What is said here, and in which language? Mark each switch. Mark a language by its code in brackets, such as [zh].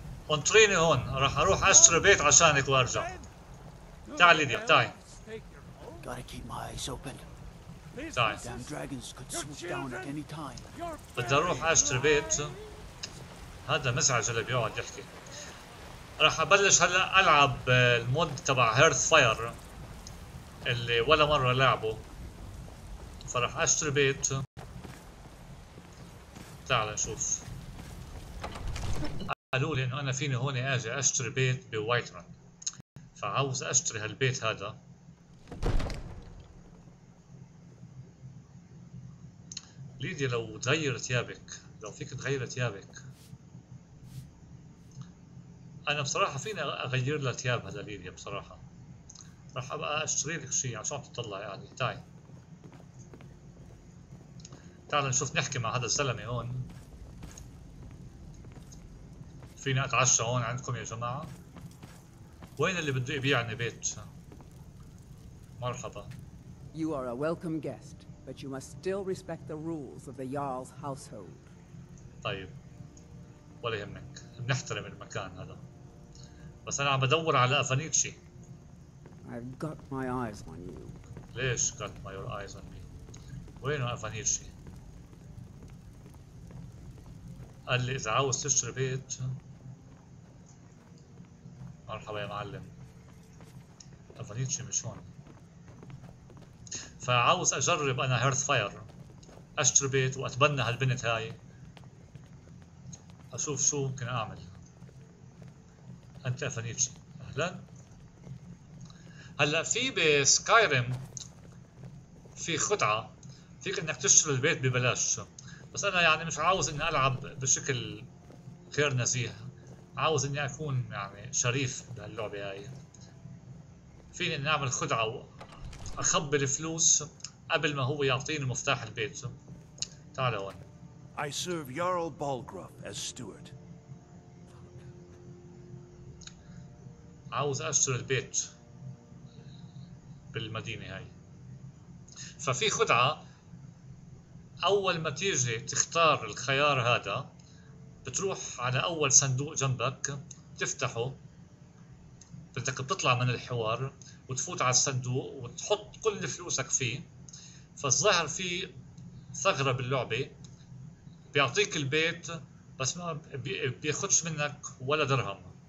[ar] انطريني هون، راح أروح أشتري بيت عشانك وأرجع. تعال ليديا، تعي. [en] Gotta keep my eyes open. [ar] تعي. [en] Damn dragons could swoop down at any time. [ar] بدي أروح أشتري بيت. هذا مزعج اللي بيقعد يحكي. راح أبلش هلا ألعب المود تبع هيرث فاير اللي ولا مرة لعبه. فراح أشتري بيت. تعال نشوف. قالوا لي إنه أنا فيني هون أجي أشتري بيت بوايتران. فعاوز أشتري هالبيت هذا. ليديا لو تغير ثيابك، لو فيك تغير ثيابك. أنا بصراحة فيني أغير لها ثياب هذا ليديا بصراحة. راح أبقى أشتري لك شيء عشان تطلع يعني، تعي. تعال نشوف نحكي مع هذا الزلمة هون. فيني أتعشى هون عندكم يا جماعة. وين اللي بده يبيعني بيت؟ مرحبا. [en] You are a welcome guest, but you must still respect the rules of the Jarl's household. [ar] طيب. ولا يهمك، بنحترم المكان هذا. بس أنا عم بدور على أفانيتشي. [en] I've got my eyes on you. [ar] ليش [en] got my eyes on me؟ [ar] وينه أفانيتشي؟ قال لي إذا عاوز تشتري بيت. مرحبا يا معلم. أفانيتشي مش هون. فعاوز أجرب أنا هيرث فاير، أشتري بيت وأتبنى هالبنت هاي، أشوف شو ممكن أعمل. أنت أفانيتشي، أهلا. هلا في بسكايرم في خدعة فيك إنك تشتري البيت ببلاش، بس أنا يعني مش عاوز إني ألعب بشكل غير نزيه، عاوز إني أكون يعني شريف بهاللعبة هاي. فيني إني أعمل خدعة وأخبي الفلوس قبل ما هو يعطيني مفتاح البيت. تعال هون. [en] I serve Jarl Balgruuf as steward. [ar] عاوز أشتري البيت بالمدينة هاي. ففي خدعة أول ما تيجي تختار الخيار هذا بتروح على أول صندوق جنبك تفتحه، بدك تطلع من الحوار وتفوت على الصندوق وتحط كل فلوسك فيه، فالظاهر في ثغرة باللعبة بيعطيك البيت بس ما بياخدش منك ولا درهم.